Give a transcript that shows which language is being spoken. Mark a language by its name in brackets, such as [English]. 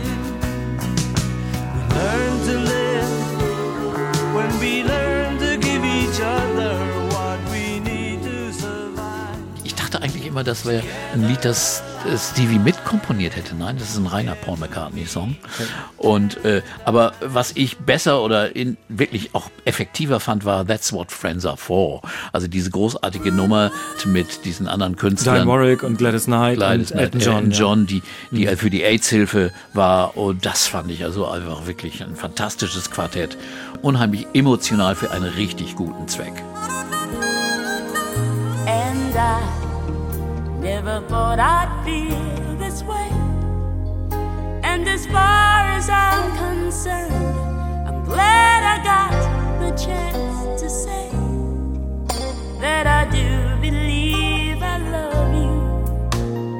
[English] We learn to live when we learn to give each other what we need to survive. [German] Ich dachte eigentlich immer, das wäre ein Lied, das Stevie mitkomponiert hätte. Nein, das ist ein reiner Paul McCartney-Song. Und aber was ich besser oder wirklich auch effektiver fand, war That's What Friends Are For. Also diese großartige Nummer mit diesen anderen Künstlern. Dionne Warwick und Gladys Knight. Elton John. John, die für die AIDS-Hilfe war. Und das fand ich also einfach wirklich ein fantastisches Quartett. Unheimlich emotional für einen richtig guten Zweck. [English] And I never thought I'd feel this way. And as far as I'm concerned, I'm glad I got the chance to say that I do believe I love you.